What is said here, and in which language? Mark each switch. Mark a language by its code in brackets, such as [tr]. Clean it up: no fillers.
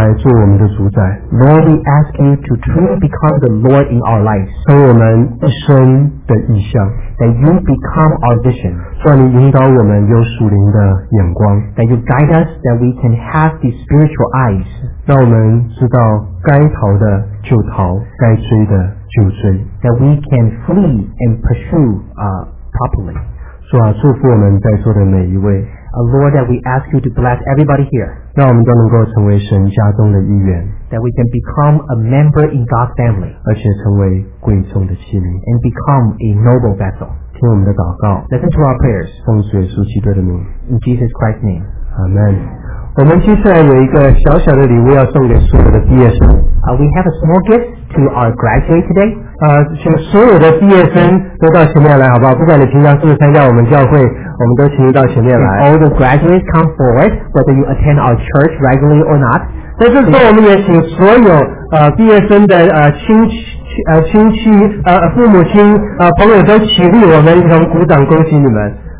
[en] Lord, we ask you to truly become the Lord in our lives. [zh] 成我们一生的意向, [en] that you become our vision. [zh] 让你引导我们有属灵的眼光, [en] that you guide us, that we can have the spiritual eyes. [zh] 让我们知道该逃的就逃, 该追的就追, [en] that we can flee and pursue properly. [zh] 主啊, 祝福我们在座的每一位, [en] Lord, that we ask you to bless everybody here. [zh] 让我们都能够成为神家中的一员, [en] that we can become a member in God's family, [zh] 而且成为贵重的器皿, [en] and become a noble vessel. [zh] 听我们的祷告, [en] listen to our prayers. [zh] 奉主耶稣基督的名, [en] in Jesus Christ's name. Amen. [zh] 我们接下来有一个小小的礼物要送给所有的毕业生, [en] we have a small gift to our graduate today. [zh] 请所有的毕业生都到前面来好不好, 不管你平常是不是参加我们教会, 我们都请你到前面来, [en] all the graduates come forward, whether you attend our church regularly or not. [zh] 在这时候我们也请所有毕业生的亲戚父母亲朋友都起立我们一同鼓掌恭喜你们,